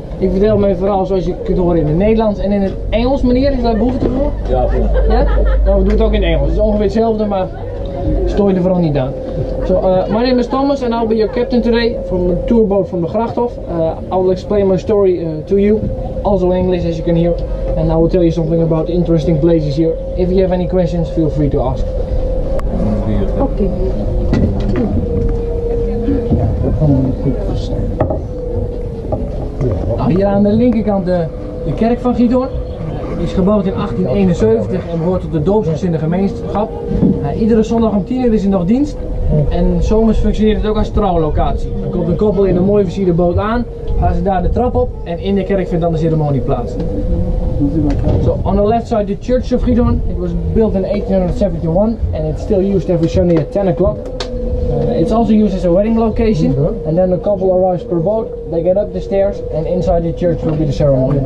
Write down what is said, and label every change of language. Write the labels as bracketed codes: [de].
[nl] Ik vertel mijn verhaal zoals je kunt horen in het Nederlands en in het Engels, meneer. Is dat behoefte voor? Ja, ja? Nou, we doen het ook in Engels. Het is ongeveer hetzelfde, maar stoor je er vooral niet aan. [en] So, my name is Thomas and I'll be your captain today from the tour boat from the Grachthof. I will explain my story to you, also in English as you can hear. And I will tell you something about the interesting places here. If you have any questions, feel free to ask. [nl] Oké. Nou, hier aan de linkerkant de kerk van Gidor. Die is gebouwd in 1871 en behoort tot de doopsgezinde gemeenschap. Iedere zondag om 10 uur is er nog dienst. En zomers functioneert het ook als trouwlocatie. Dan komt een koppel in een mooi versierde boot aan, gaan ze daar de trap op en in de kerk vindt dan de ceremonie plaats. [en] So on the left side the church of Gidon. It was built in 1871 and it's still used every Sunday at 10 o'clock. It's also used as a wedding location. Mm-hmm. And then a couple arrives per boat, they get up the stairs and inside the church will be the ceremony.